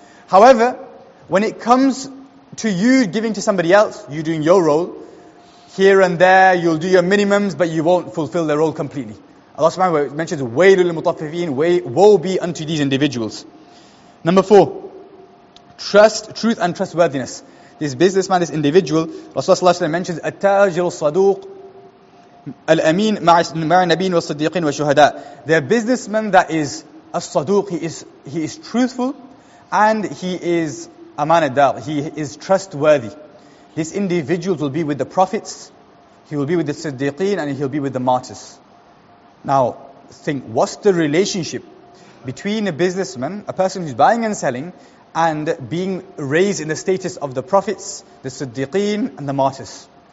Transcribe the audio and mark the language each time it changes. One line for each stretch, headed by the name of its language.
English: However, when it comes to you giving to somebody else, you doing your role, here and there, you'll do your minimums, but you won't fulfill their role completely. Allah subhanahu wa ta'ala mentions,
Arabic: وَيْلُ لِلْمُطَفِّفِينَ.
English: Woe be unto these individuals. Number four, trust, truth and trustworthiness. This businessman, this individual, Rasulullah ﷺ mentions,
Arabic: التَّاجِرُ الصَّدُوقُ الْأَمِينُ مَعَ النَّبِينَ وَالصَّدِّيقِينَ وَالشُّهَدَاءِ.
English: They're a businessman that is a saduq. He is truthful and he is amanadar. He is trustworthy. This individual will be with the prophets, he will be with the siddiqeen, and he'll be with the martyrs. Now, think, what's the relationship between a businessman, a person who's buying and selling, and being raised in the status of the prophets, the siddiqeen, and the martyrs?